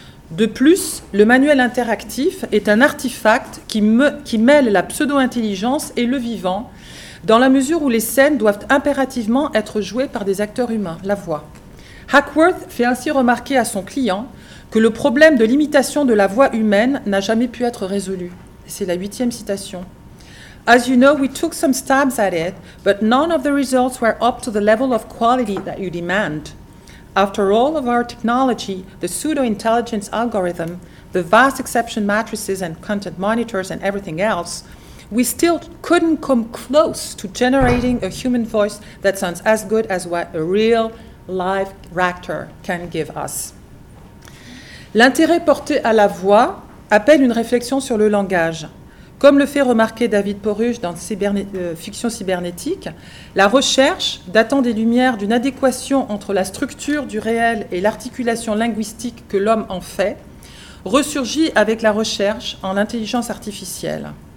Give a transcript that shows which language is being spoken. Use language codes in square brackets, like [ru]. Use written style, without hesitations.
[fr] De plus, le manuel interactif est un artefact qui mêle la pseudo-intelligence et le vivant, dans la mesure où les scènes doivent impérativement être jouées par des acteurs humains, la voix. Hackworth fait ainsi remarquer à son client que le problème de l'imitation de la voix humaine n'a jamais pu être résolu. C'est la 8e citation. [en] As you know, we took some stabs at it, but none of the results were up to the level of quality that you demand. After all of our technology, the pseudo-intelligence algorithm, the vast exception matrices and content monitors and everything else, we still couldn't come close to generating a human voice that sounds as good as what a real live actor can give us. [fr] L'intérêt porté à la voix appelle une réflexion sur le langage. Comme le fait remarquer David Poruch dans Fiction cybernétique, la recherche datant des Lumières d'une adéquation entre la structure du réel et l'articulation linguistique que l'homme en fait ressurgit avec la recherche en intelligence artificielle.